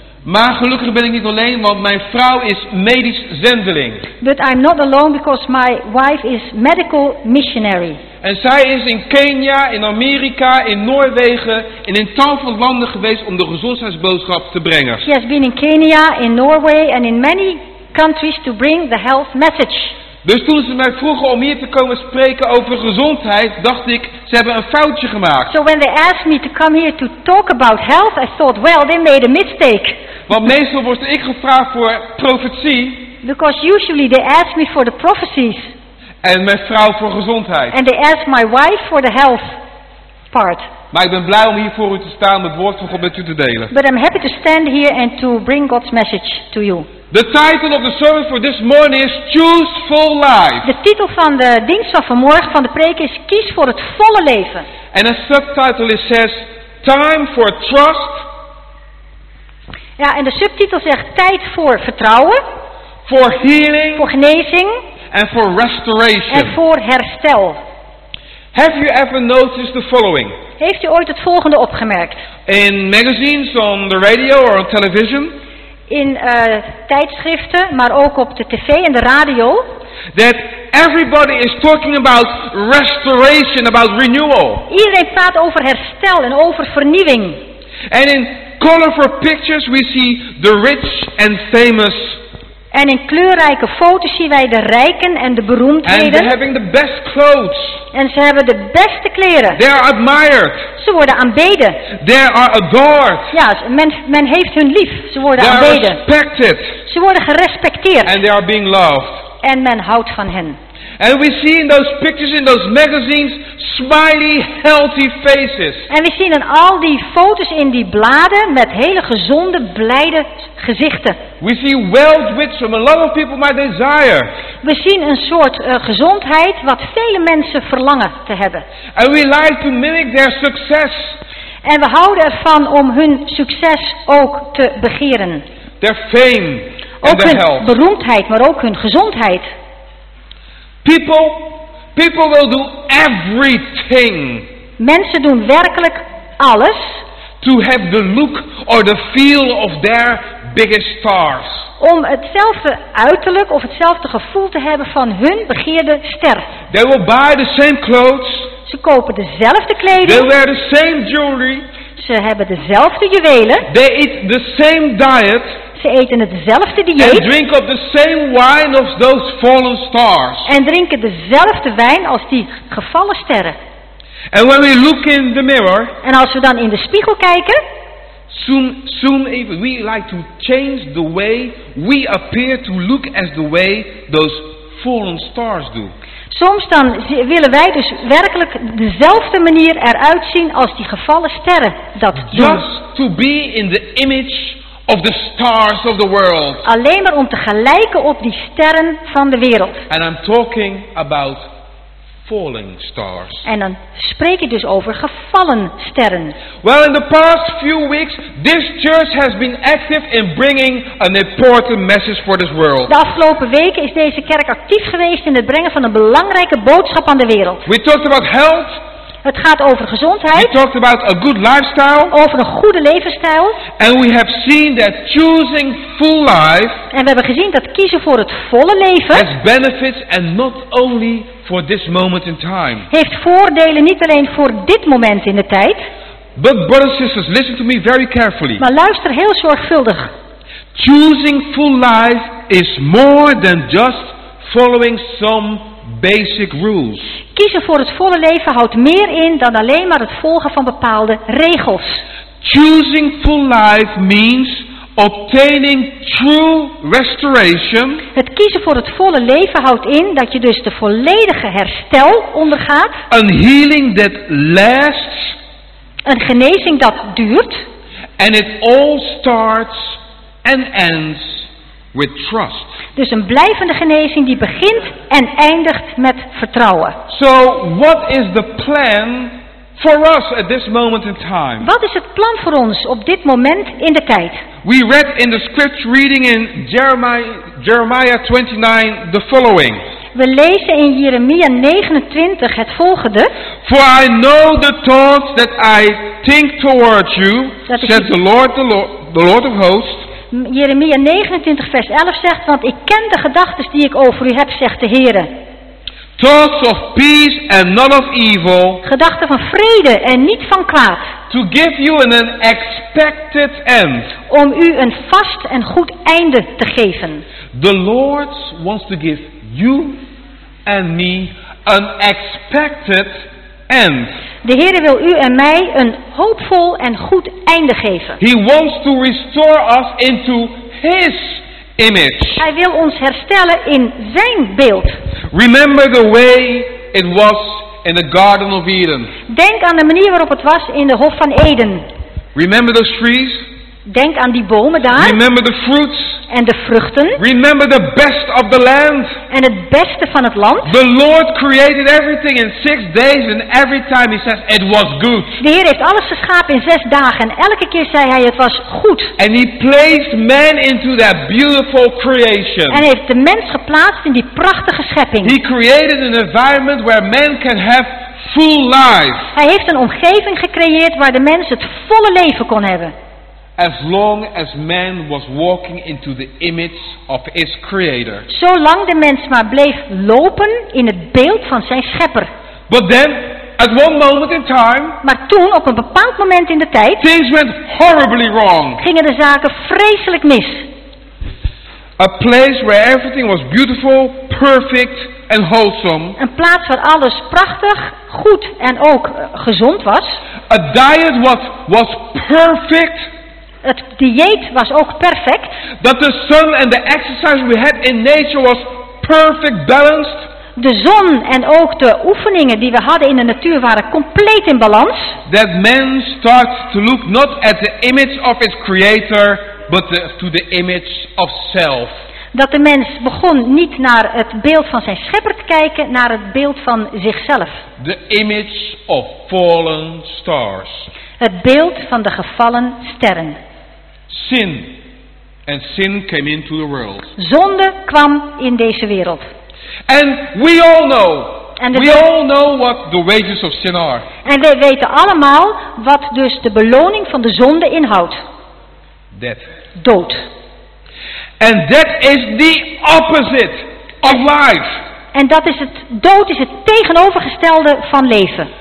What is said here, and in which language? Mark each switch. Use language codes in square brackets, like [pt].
[nl] Maar gelukkig ben ik niet alleen, want mijn vrouw is medisch zendeling. [en] But I'm not alone because my wife is medical missionary. [nl] En zij is in Kenia, in Amerika, in Noorwegen en in tal van landen geweest om de gezondheidsboodschap te brengen. [en] She has been in Kenya, in Norway and in many countries to bring the health message. [nl] Dus toen ze mij vroegen om hier te komen spreken over gezondheid, dacht ik, ze hebben een foutje gemaakt. [en] So when they asked me to come here to talk about health, I thought, well, they made a mistake. [nl] Want meestal word ik gevraagd voor profetie. [en] Because usually they ask me for the prophecies. [nl] En mijn vrouw voor gezondheid. [en] And they ask my wife for the health part. [nl] Maar ik ben blij om hier voor u te staan om het woord van God met u te delen. [en] But I'm happy to stand here and to bring God's message to you. The title of the sermon for this morning is Choose Full Life. [nl] De titel van de dienst van vanmorgen van de preek is Kies voor het volle leven. [en] And a subtitle it says Time for Trust. [nl] Ja, en de subtitel zegt Tijd voor Vertrouwen. [en] For Healing. [nl] Voor genezing. [en] And for Restoration. [nl] En voor herstel. [en] Have you ever noticed the following? [nl] Heeft u ooit het volgende opgemerkt? [en] In magazines, on the radio or on television? [nl] In tijdschriften, maar ook op de tv en de radio. [en] That everybody is talking about restoration, about renewal. [nl] Iedereen praat over herstel en over vernieuwing. [en] And in colorful pictures we see the rich and famous. [nl] En in kleurrijke foto's zien wij de rijken en de beroemdheden. [en] And they're having the best clothes. [nl] En ze hebben de beste kleren. [en] They are admired. [nl] Ze worden aanbeden. [en] They are adored. [nl] Ja, men heeft hun lief. Ze worden [en] they [nl] aanbeden. [en] Are respected. [nl] Ze worden gerespecteerd. [en] And they are being loved. [nl] En men houdt van hen. [en] And we see in those pictures, in those magazines, smiley, healthy faces. [nl] En we zien in al die foto's in die bladen met hele gezonde, blijde gezichten. [en] We see wealth which a lot of people might desire. [nl] We zien een soort gezondheid wat vele mensen verlangen te hebben. [en] And we like to mimic their success. [nl] En we houden ervan om hun succes ook te begeren. [en] Their fame [nl] ook [en] and their [nl] hun [en] health. [nl] Beroemdheid, maar ook hun gezondheid. [en] People will do everything. [nl] Mensen doen werkelijk alles. [en] To have the look or the feel of their biggest stars. [nl] Om hetzelfde uiterlijk of hetzelfde gevoel te hebben van hun begeerde ster. [en] They will buy the same clothes. [nl] Ze kopen dezelfde kleding. [en] They wear the same jewelry. [nl] Ze hebben dezelfde juwelen. [en] They eat the same diet. [nl] Ze eten hetzelfde dieet. [en] And drink of the same wine of those fallen stars. [nl] En drinken dezelfde wijn als die gevallen sterren. [en] And when we look in the mirror. [nl] En als we dan in de spiegel kijken. [en] Soon we like to change the way we appear to look as the way those fallen stars do. [nl] Soms dan willen wij dus werkelijk dezelfde manier eruit zien als die gevallen sterren dat doen. [en] Just to be in the image of the stars of the world. [nl] Alleen maar om te gelijken op die sterren van de wereld. [en] And I'm talking about falling stars. [nl] En dan spreek ik dus over gevallen sterren. [en] Well, in the past few weeks, this church has been active in bringing an important message for this world. [nl] De afgelopen weken is deze kerk actief geweest in het brengen van een belangrijke boodschap aan de wereld. [en] We talked about health. [nl] Het gaat over gezondheid. [en] We talked about a good lifestyle. [nl] Over een goede levensstijl. [en] And we have seen that choosing full life. [nl] En we hebben gezien dat kiezen voor het volle leven. [en] Has benefits and not only for this moment in time. [nl] Heeft voordelen niet alleen voor dit moment in de tijd. [en] But brothers and sisters, listen to me very carefully. [nl] Maar luister heel zorgvuldig. [en] Choosing full life is more than just following some basic rules. [nl] Kiezen voor het volle leven houdt meer in dan alleen maar het volgen van bepaalde regels. [en] Choosing full life means obtaining true restoration. [nl] Het kiezen voor het volle leven houdt in dat je dus de volledige herstel ondergaat. [en] Een healing that lasts. [nl] Een genezing dat duurt. [en] And it all starts and ends with trust. [nl] Dus een blijvende genezing die begint en eindigt met vertrouwen. [en] So what is the plan for us at this moment in time? [nl] Wat is het plan voor ons op dit moment in de tijd? [en] We read in the scripture reading in Jeremiah 29 the following. [nl] We lezen in Jeremia 29 het volgende. [en] For I know the thoughts that I think towards you, says the Lord of hosts. [nl] Jeremia 29 vers 11 zegt, want ik ken de gedachten die ik over u heb, zegt de Heere. [en] Thoughts of peace and not of evil. [nl] Gedachten van vrede en niet van kwaad. [en] To give you an expected end. [nl] Om u een vast en goed einde te geven. [en] The Lord wants to give you and me an expected end. [nl] De Heere wil u en mij een hoopvol en goed einde geven. [en] He wants to restore us into his image. [nl] Hij wil ons herstellen in zijn beeld. [en] Remember the way it was in the Garden of Eden. [nl] Denk aan de manier waarop het was in de Hof van Eden. [en] Remember those trees? [nl] Denk aan die bomen daar. [en] Remember the fruits? [nl] En de vruchten. [en] Remember the best of the land. [nl] En het beste van het land. [en] The Lord created everything in 6 days and every time he says it was good. [nl] De Heer heeft alles geschapen in 6 dagen en elke keer zei hij het was goed. [en] And he placed man into that beautiful creation. [nl] En hij heeft de mens geplaatst in die prachtige schepping. [en] He created an environment where man can have full life. [nl] Hij heeft een omgeving gecreëerd waar de mens het volle leven kon hebben. [en] As long as man was walking into the image of his creator. [nl] Zolang de mens maar bleef lopen in het beeld van zijn schepper. [en] But then, at one moment in time. [nl] Maar toen, op een bepaald moment in de tijd. [en] Things went horribly wrong. [nl] Gingen de zaken vreselijk mis. [en] A place where everything was beautiful, perfect and wholesome. [nl] Een plaats waar alles prachtig, goed en ook gezond was. [en] A diet was perfect. [nl] Het dieet was ook perfect. [en] That the sun and the exercise we had in nature was perfect balanced. [nl] De zon en ook de oefeningen die we hadden in de natuur waren compleet in balans. [en] That man starts to look not at the image of his creator, but to the image of self. [nl] Dat de mens begon niet naar het beeld van zijn schepper te kijken, naar het beeld van zichzelf. [en] The image of fallen stars. [nl] Het beeld van de gevallen sterren. [en] Sin. And sin came into the world. [nl] Zonde kwam in deze wereld. [en] And we all know. We all know what the wages of sin are. [nl] En we weten allemaal wat dus de beloning van de zonde inhoudt. [en] Death. [nl] Dood. [en] And that is the opposite of life. [nl] En dat is het dood is het tegenovergestelde van leven.